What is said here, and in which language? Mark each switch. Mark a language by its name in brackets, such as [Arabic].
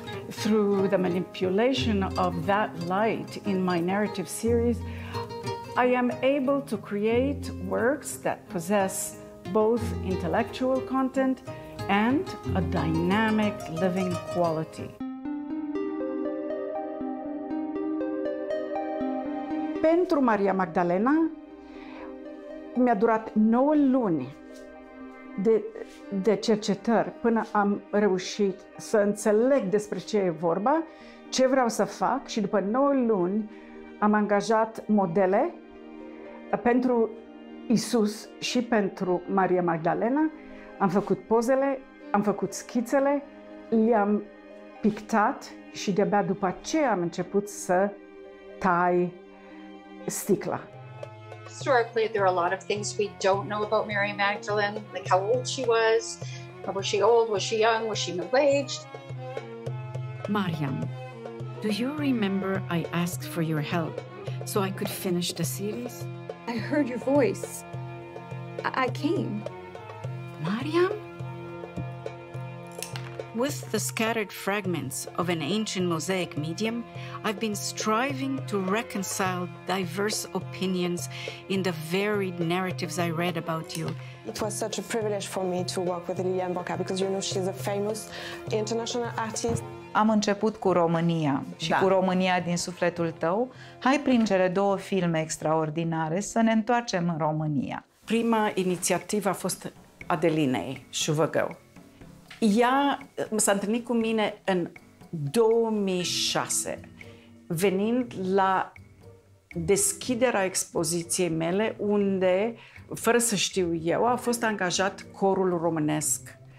[English] Through the manipulation of that light in my narrative series, I am able to create works that possess both intellectual content and a dynamic living quality. [Romanian] Pentru Maria Magdalena mi-a durat 9 luni de cercetări până am reușit să înțeleg despre ce e vorba, ce vreau să fac și după 9 luni am angajat modele pentru Isus și pentru Maria Magdalena. Am făcut pozele, am făcut schițele, le-am pictat și de-abia după aceea am început să tai sticla. [English] Historically, there are a lot of things we don't know about Mary Magdalene, like how old she was. Was she old? Was she young? Was she middle-aged? Mariam, do you remember I asked for your help so I could finish the series? I heard your voice. I came. Mariam? With the scattered fragments of an ancient mosaic medium, I've been striving to reconcile diverse opinions in the varied narratives I read about you. It was such a privilege for me to work with Lilian Broca because, you know, she's a famous international artist. [Romanian] Am început cu România și da. Cu România din sufletul tău. Hai prin cele două filme extraordinare să ne întoarcem în România. Prima inițiativă a fost Adelinei Șuvăgău. Ea s-a întâlnit cu mine în 2006, venind la deschiderea expoziției mele, unde, fără să știu eu, a fost angajat corul românesc.